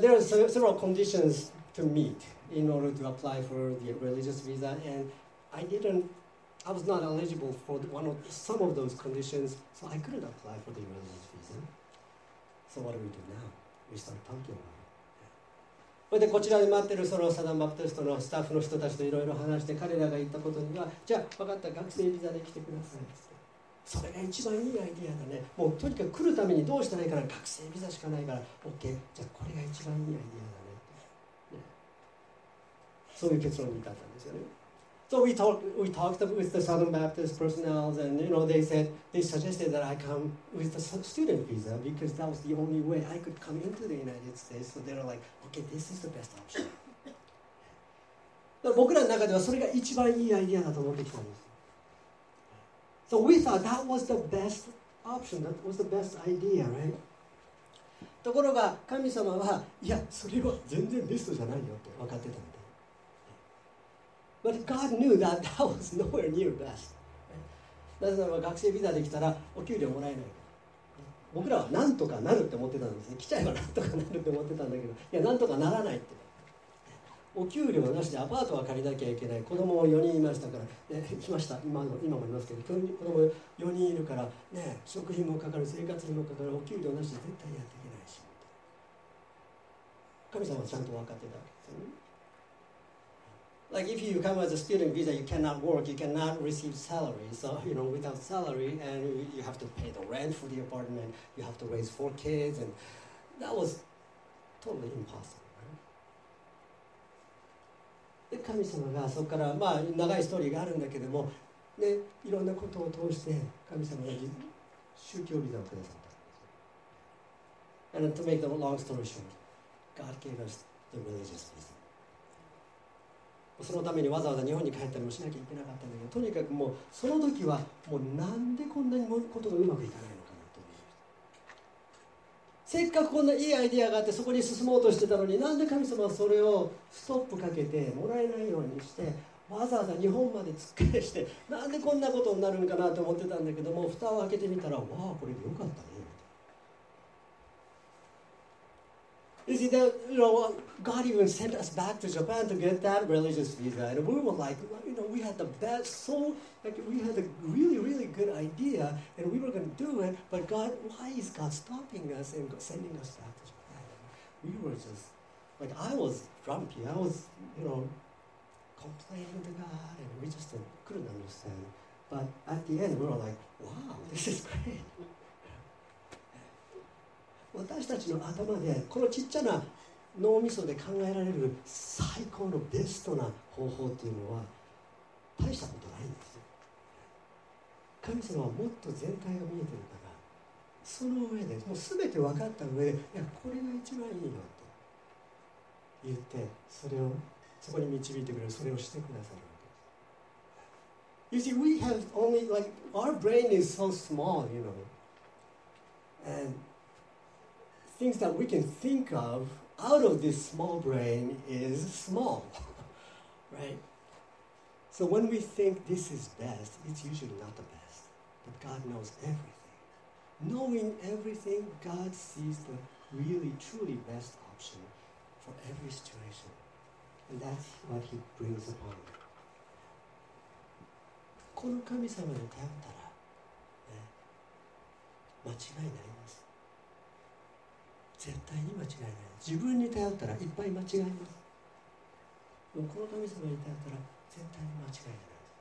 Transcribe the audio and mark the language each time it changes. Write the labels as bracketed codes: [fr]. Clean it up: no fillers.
[en] But there are several conditions to meet in order to apply for the religious visa, and I was not eligible for some of those conditions, so I couldn't apply for the religious visa. So what do we do now? We start talking about it. [ja] でこちらで待ってるそのサダンバプテストのスタッフの人たちといろいろ話して、彼らが言ったことには、じゃあ分かった、学生ビザで来てください。それが一番いいアイディアだね。もうとにかく来るためにどうしたらいいかな、学生ビザしかないから OK、 じゃあこれが一番いいアイディアだ ね、 ね、そういう結論に至ったんですよね。 [en] So we talked with the Southern Baptist personnel, and you know, they suggested that I come with the student visa because that was the only way I could come into the United States. So they were like, OK, this is the best option. [ja] 僕らの中ではそれが一番いいアイディアだと思ってきたんです。 [en] So we thought that was the best option, that was the best idea, right? [ja] ところが神様は、いや、それは全然ベストじゃないよって分かってたみたい。 [en] But God knew that that was nowhere near best. [ja] なぜならば学生ビザできたらお給料もらえないから。僕らはなんとかなるって思ってたんですね。来ちゃえばなんとかなるって思ってたんだけど、いや、なんとかならないって。お給料なしでアパートは借りなきゃいけない。子供も4人いましたから、来ました、 今もいますけど、子供4人いるから、ね、食費もかかる、生活費もかかる、お給料なしで絶対やっていけないし、神様はちゃんと分かってたわけですよね。 [en] Like if you come as a student visa, you cannot work, you cannot receive salary. So you know, without salary, and you have to pay the rent for the apartment, you have to raise four kids, and that was totally impossible. [ja] で神様がそこから、まあ、長いストーリーがあるんだけども、ね、いろんなことを通して神様が宗教ビザをくださったんです。 [en] And to make the long story short, God gave us the religious visa. [ja] そのためにわざわざ日本に帰ったりもしなきゃいけなかったんだけど、とにかくもうその時はもうなんでこんなにことがうまくいかないのかなと思いました。せっかくこんないいアイデアがあってそこに進もうとしてたのに、なんで神様はそれをストップかけてもらえないようにして、わざわざ日本までつっかえして、なんでこんなことになるのかなと思ってたんだけども、蓋を開けてみたら、わあ、これでよかったね。 [en] You see, that, you know, God even sent us back to Japan to get that religious visa. And we were like, you know, we had the best soul, like we had a really, really good idea, and we were going to do it, but God, why is God stopping us and sending us back to Japan? We were just, like, I was grumpy. I was, you know, complaining to God, and we just couldn't understand. But at the end, we were like, wow, this is great. [ja] 私たちの頭でこのちっちゃな脳みそで考えられる最高のベストな方法というのは大したことないんですよ。神様はもっと全体が見えているから、その上でもう全て分かった上で、いやこれが一番いいよと言って、それをそこに導いてくれる、それをしてくださる。 [en] You see, we have only like our brain is so small, you know, andthings that we can think of out of this small brain is small, right? So when we think this is best, it's usually not the best. But God knows everything. Knowing everything, God sees the really, truly best option for every situation. And that's what He brings upon us. [ja] この神様に頼ったら、ね、間違いないんです。絶対に間違いない。自分に頼ったらいっぱい間違います。もうこの神様に頼ったら絶対に間違いない。